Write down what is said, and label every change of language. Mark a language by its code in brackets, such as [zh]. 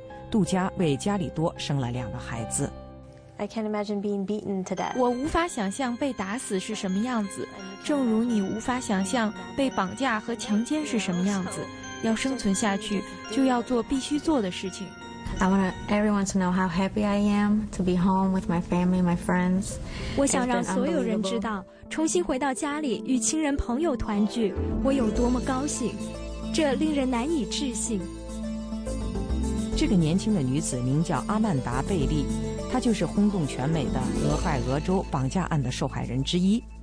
[zh] 杜加为加利多生了2个孩子。 [en] I can't imagine being beaten to death. [zh] 我无法想象被打死是什么样子，正如你无法想象被绑架和强奸是什么样子。要生存下去，就要做必须做的事情。 [en] I want everyone to know how happy I am to be home with my family, my friends. [zh] 我想让所有人知道，重新回到家里与亲人朋友团聚，我有多么高兴，这令人难以置信。这个年轻的女子名叫阿曼达·贝利，她就是轰动全美的俄亥俄州绑架案的受害人之一。